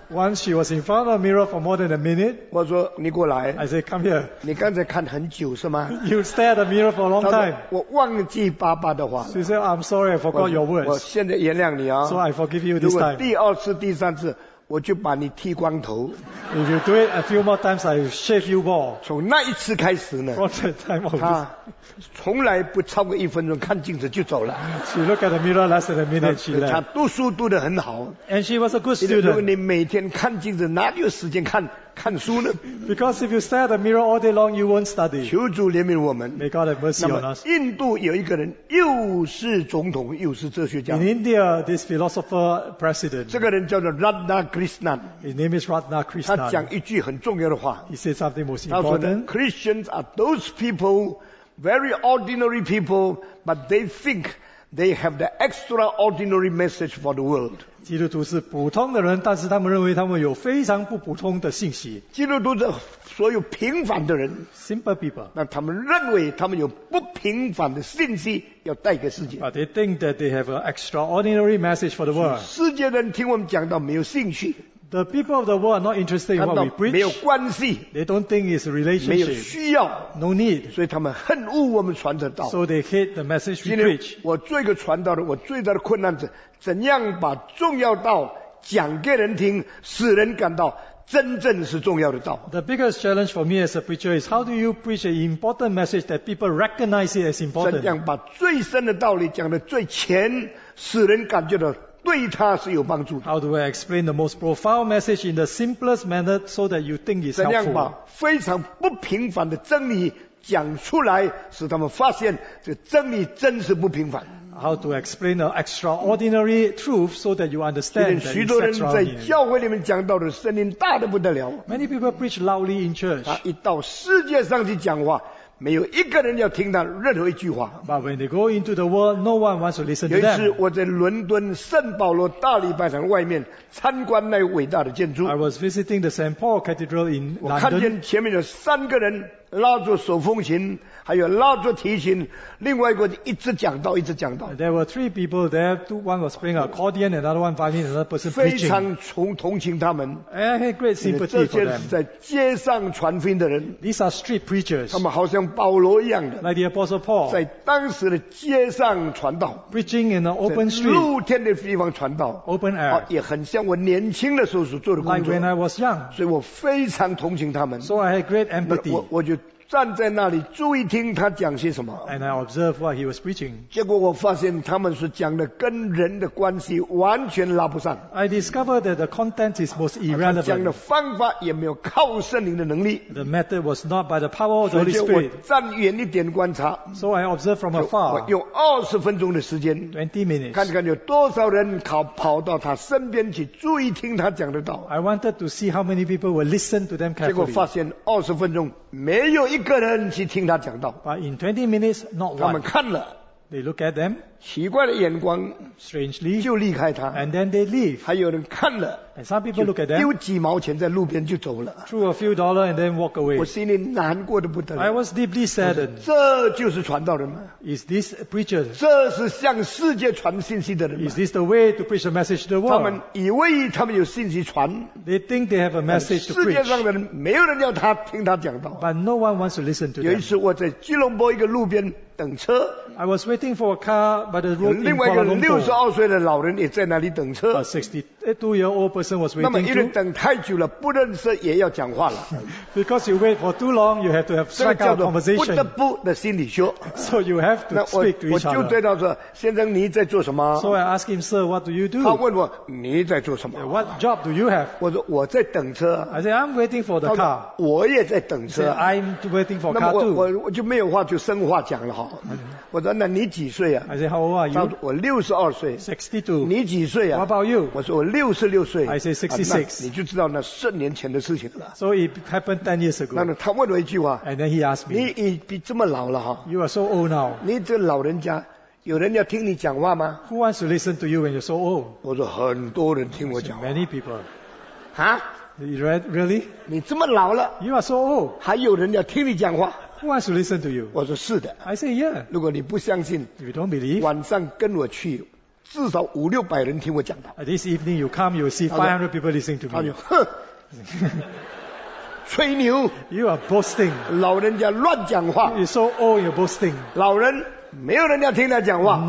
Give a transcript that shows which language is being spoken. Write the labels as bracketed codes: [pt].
[en] Once she was in front of the mirror for more than a minute. [zh] 我说你过来。 [en] I said come here. [zh] 你刚才看很久是吗？ [en] You stare at the mirror for a long time. [zh] 我忘记爸爸的话。 [en] She said I'm sorry, I forgot your words. [zh] 我现在原谅你啊。 [en] So I forgive you this time. [zh] 如果第二次、第三次。我就把你剃光头。 [en] If you do it a few more times, I shave you bald. [zh] 从那一次开始呢， [en] from that time on, [zh] 他从来不超过一分钟看镜子就走了。 [en] She looked at the mirror less than a minute. She left. [zh] 她读书读得很好。 [en] And she was a good student. [zh] 如果你每天看镜子，哪里有时间看？看书呢。 [en] Because if you stare at the mirror all day long, you won't study. [zh] 求主怜悯我们。 [en] May God have mercy on us. [zh] 那么印度有一个人又是总统又是哲学家。 [en] In India, this philosopher president. [zh] 这个人叫做 Radhakrishnan. [en] His name is Radhakrishnan. [zh] 他讲一句很重要的话。 [en] He said something most important. Christians are those people, very ordinary people, but they think they have the extraordinary message for the world. [zh] 基督徒是普通的人，但是他们认为他们有非常不普通的信息。基督徒是所有平凡的人 [en] ，simple people， [zh] 那他们认为他们有不平凡的信息要带给世界。 [en] But they think that they have an extraordinary message for the world. [zh] 世界人听我们讲到没有兴趣。 [en] The people of the world are not interested in what we preach. [zh] 没有关系。 [en] They don't think it's a relationship. [zh] 没有需要。 [en] No need. [zh] 所以他们恨恶我们传的道。 [en] So they hate the message we preach. [zh] 我做一个传道的，我最大的困难是怎样把重要道讲给人听，使人感到真正是重要的道。 [en] The biggest challenge for me as a preacher is how do you preach an important message that people recognize it as important? [zh] 怎样把最深的道理讲得最浅，使人感觉到对他是有帮助的。 [en] How do I explain the most profound message in the simplest manner so that you think it's helpful? [zh] 怎样把非常不平凡的真理讲出来，使他们发现这真理真是不平凡。 [en] How to explain an extraordinary truth so that you understand that it's extraordinary. [zh] 许多人在教会里面讲到的声音大得不得了。 [en] Many people preach loudly in church. [zh] 他一到世界上去讲话，没有一个人要听到任何一句话。 [en] But when they go into the world, no one wants to listen to them. [zh] 有一次我在伦敦圣保罗大礼拜堂外面参观那伟大的建筑。 [en] I was visiting the St. Paul Cathedral in London. [zh] 我看见前面有三个人拉着手风琴，还有拉着提琴，另外一个一直讲道，一直讲道。 [en] There were three people there. One was playing accordion, another one violin, another person preaching. [zh] 非常同情他们。 [en] Great sympathy for them. [zh] 这些是在街上传福音的人。 [en] These are street preachers. [zh] 他们好像保罗一样的。 [en] Like the Apostle Paul. [zh] 在当时的街上传道。 [en] Preaching in an open street. [zh] 露天的地方传道。 [en] Open air. [zh] 也很像我年轻的时候所做的工作。 [en] Like when I was young. [zh] 所以我非常同情他们。 [en] So I had great empathy. [zh] 我就站在那里注意听他讲些什么。 [en] And I observed what he was preaching. [zh] 结果我发现他们是讲的跟人的关系完全拉不上。 [en] I discovered that the content is most irrelevant. [zh] 他讲的方法也没有靠圣灵的能力。 [en] The method was not by the power of the Holy Spirit. [zh] 所以我站远一点观察。 [en] So I observed from afar. [zh] 我用20分钟的时间。 [en] 20 minutes. [zh] 看看有多少人跑到他身边去注意听他讲的道。 [en] I wanted to see how many people will listen to them carefully. [zh] 结果发现20分钟没有一个人去听他讲道。 [en] But in 20 minutes, not one. [zh] 他们看了。 [en] They look at them. [zh] 奇怪的眼光 [en] strangely, [zh] 就离开他。 [en] And then they leave. [zh] 还有人看了。 [en] And some people look at them. [zh] 丢几毛钱在路边就走了。 [en] Threw a few dollars and then walk away. [zh] 我心里难过得不得了。 [en] I was deeply saddened. [zh] 这就是传道人吗？ [en] Is this a preacher? [zh] 这是向世界传信息的人吗？ [en] Is this the way to preach a message to the world? [zh] 他们以为他们有信息传。 [en] They think they have a message to preach. [zh] 世界上的人没有人要他听他讲道。 [en] But no one wants to listen to them. [zh] 有一次我在吉隆坡一个路边等车。 [en] I was waiting for a car by the road in Kuala Lumpur. [zh] 另外一个62岁的老人也在那里等车。 [en] A 62-year-old person was waiting. [zh] 那么一人等太久了，不认识也要讲话了。 [en] Because you wait for too long, you have to have strike out a conversation. [zh] 不得不的心理学。 [en] So you have to speak to each other. [zh] 我就对他说：“先生，你在做什么？” [en] So I ask him, "Sir, what do you do?" [zh] 他问我：“你在做什么？” [en] What job do you have? [zh] 我说：“我在等车。” [en] I said, "I'm waiting for the car." [zh] 我也在等车。 [en] I'm waiting for car too. [zh] 那么我就没有话就生话讲了哈。我说那你几岁啊 [en] I said, how old are you? [zh] 我62岁 [en] 62. [zh] 你几岁啊 [en] What about you? [zh] 我说我66岁 [en] I said 66. [zh] 你就知道那十年前的事情了 [en] So it happened 10 years ago. [zh] 那么他问我一句话 [en] And then he asked me, [zh] 你已经这么老了 [en] You are so old now. [zh] 你这老人家有人要听你讲话吗 [en] Who wants to listen to you when you're so old? [zh] 我说很多人听我讲话 [en] Many people. 哈 You read, really? [zh] 你这么老了 [en] You are so old. [zh] 还有人要听你讲话 [en] Who wants to listen to you? [zh] 我说是的。 [en] I say yeah. [zh] 如果你不相信 [en] you don't believe, [zh] 晚上跟我去至少五六百人听我讲道。 [en] This evening you come, you see 500 people listening to me. [zh] 他就哼。吹牛。 [en] You are boasting. [zh] 老人家乱讲话。 [en] You're so old, you're boasting. [zh] 老人没有人要听他讲话。